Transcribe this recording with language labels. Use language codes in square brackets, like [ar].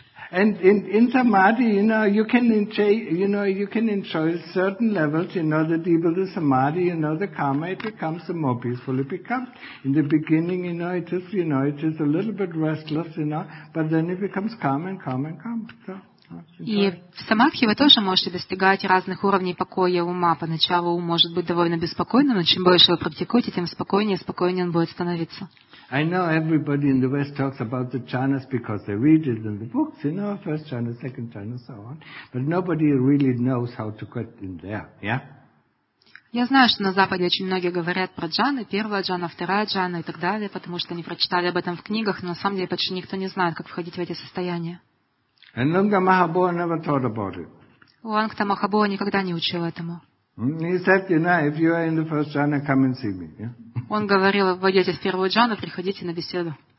[en] And in samadhi, you know, you can enjoy, you know, you can enjoy certain levels, you know, the deeper the samadhi, you know, the calmer it becomes, the more peaceful it becomes. In the beginning, you know, it is, you know, it is a little bit restless, you know, but then it becomes calm and calm and calm. So. [ru] И в самадхи вы тоже можете достигать разных уровней покоя ума. Поначалу ум может быть довольно беспокойным, но чем больше вы практикуете, тем спокойнее и спокойнее он будет становиться. [en] I know everybody in the West talks about the jhanas because they read it in the books, you know, first jhana, second jhana, so on. But nobody really knows how to get in there, yeah? [ru] Я знаю, что на Западе очень многие говорят про джаны, первая джана, вторая джана и так далее, потому что они прочитали об этом в книгах, но на самом деле почти никто не знает, как входить в эти состояния. [en] And Lungta Mahabo never thought about it. [ru] Лунгта Махабо никогда не учил этому. [en] He said, you know, if you are in the first jhana, come and see me. Yeah? [ru] Он говорил, вы идете в первую джану, приходите на беседу.